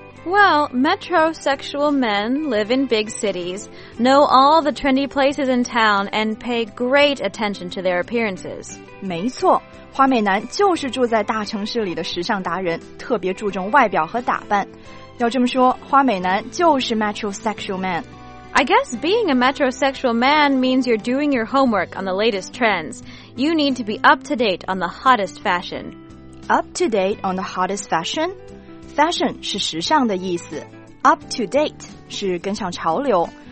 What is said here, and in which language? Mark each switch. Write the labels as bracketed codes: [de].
[en] Well, metrosexual men live in big cities, know all the trendy places in town, and pay great attention to their appearances. [zh] 没错。花美男就是住在大城市里的时尚达人，特别注重外表和打扮。要这么说，花美男就是 [en] metrosexual man。 I guess being a metrosexual man means you're doing your homework on the latest trends. You need to be up to date on the hottest fashion. Up to date on the hottest fashion? Fashion [zh] 是时尚的意思 [en] ，up to date [zh] 是跟上潮流。